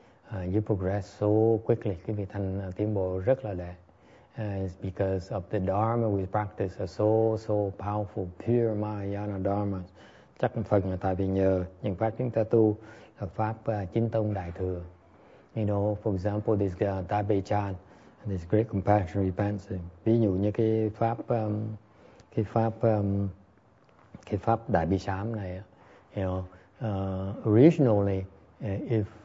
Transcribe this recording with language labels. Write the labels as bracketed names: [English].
[English] You progress so quickly, [Vietnamese] quý vị thành tiến bộ rất là đẹp. [English] It's because of the Dharma we practice, a so powerful pure Mahayana Dharma. [Vietnamese] Chắc một phần là tại vì nhờ những pháp chúng ta tu là pháp chính tông đại thừa. [English] You know, for example, this Dabei Chan, this great compassion repentance. [Vietnamese] Ví dụ như cái pháp Đại Bi Sám này, [English] you know, originally, if